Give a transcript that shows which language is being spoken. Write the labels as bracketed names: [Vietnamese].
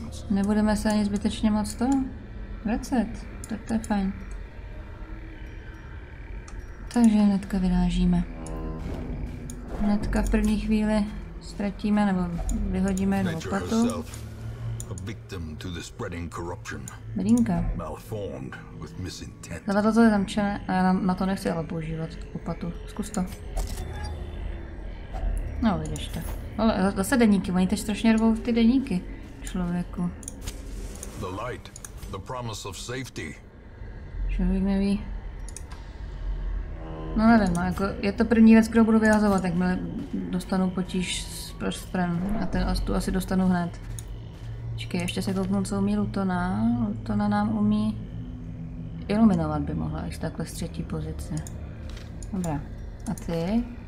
[Czech] Nebudeme se ani zbytečně moc to vracet, tak to je fajn. Takže hnedka vyrážíme. Hnedka v první chvíli ztratíme nebo vyhodíme jednu opatu. [English] A victim to the spreading corruption. [Czech] Brinka. [English] Malformed with misintent. [Czech] Zavadlo to je zamčené a já na to nechci ale používat opatu. Zkus to. No vidíš to. Ale zase deníky, oni teď strašně rvou ty deníky člověku. [English] The light, the promise of safety. [Czech] Člověk neví. No nevím, jako je to první věc, kterou budu vyhazovat, jakmile dostanu potíž s prstem a ten, tu asi dostanu hned. Počkej, ještě se kouknu, co umí Lutona. Lutona nám umí iluminovat by mohla, až takhle z třetí pozice. Dobrá. A ty?